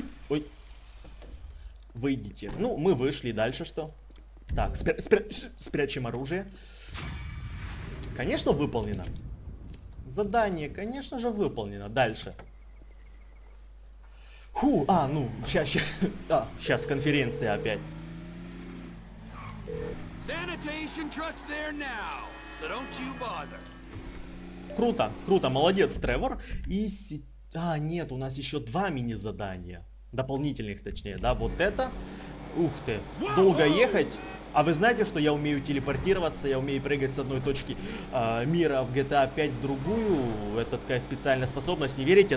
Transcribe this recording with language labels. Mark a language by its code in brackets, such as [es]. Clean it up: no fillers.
[ru] Ой. Выйдите. Ну, мы вышли, дальше что? Так, спрячем оружие. Конечно, выполнено. Задание, конечно же, выполнено. Дальше. Ху, а, ну, сейчас конференция опять. [en] Sanitation truck's there now, so don't you bother. [ru] Круто, молодец, Тревор. И нет, у нас еще два мини-задания. Дополнительных, точнее, да, вот это. Ух ты, долго ехать. А вы знаете, что я умею телепортироваться, я умею прыгать с одной точки мира в GTA 5 в другую. Это такая специальная способность, не верите?